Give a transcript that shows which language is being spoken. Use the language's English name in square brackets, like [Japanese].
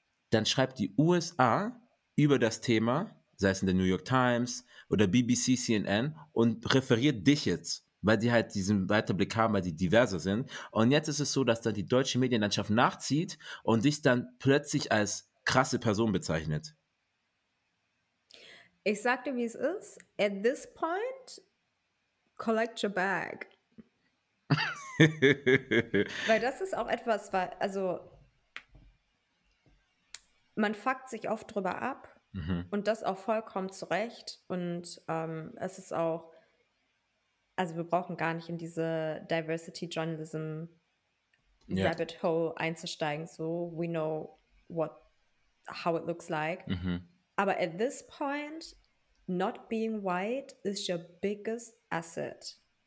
[German] Dann schreibt die USA über das Thema, sei es in der New York Times oder BBC, CNN, und referiert dich jetzt, weil die halt diesen Weiterblick haben, weil die diverser sind. Und jetzt ist es so, dass dann die deutsche Medienlandschaft nachzieht und dich dann plötzlich als krasse Person bezeichnet. Ich sag dir, wie es ist. [English] At this point, collect your bag. [German] Weil das ist auch etwas, weil, also, man fuckt sich oft drüber ab, mhm, und das auch vollkommen zurecht. Und es ist auch, also wir brauchen gar nicht in diese Diversity Journalism Rabbit Hole einzusteigen, [English] so we know what how it looks like. Mhm. Aber at this point, not being white is your biggest asset.